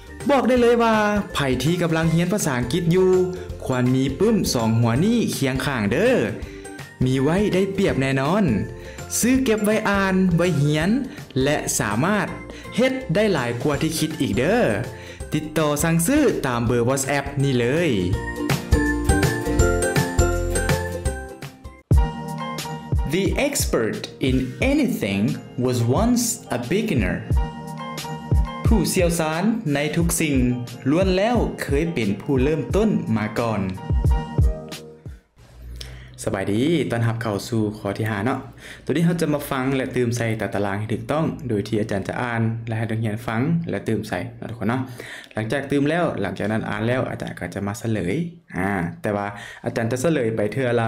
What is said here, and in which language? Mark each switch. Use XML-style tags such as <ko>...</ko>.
<th>บอกได้เลยว่าไผที่กำลังเรียนภาษาอังกฤษอยู่ควรมีปึ้ม2หัวนี้เคียงข้างเด้อมีไว้ได้เปรียบแน่นอนซื้อเก็บไว้อ่านไว้เรียนและสามารถเฮ็ดได้หลายกว่าที่คิดอีกเด้อติดต่อสั่งซื้อตามเบอร์ WhatsApp นี่เลย</th> <en>The expert in anything was once a beginner.</en> <th>ผู้เชี่ยวชาญในทุกสิ่งล้วนแล้วเคยเป็นผู้เริ่มต้นมาก่อน สบายดีต้อนรับเข้าสู่ข้อที่5เนาะตัวนี้เราจะมาฟังและเติมใส่ตารางให้ถูกต้องโดยที่อาจารย์จะอ่านและให้นักเรียนฟังและเติมใส่นะทุกคนเนาะหลังจากเติมแล้วหลังจากนั้นอ่านแล้วอาจารย์ก็จะมาเฉลยแต่ว่าอาจารย์จะเฉลยไปเทื่</th>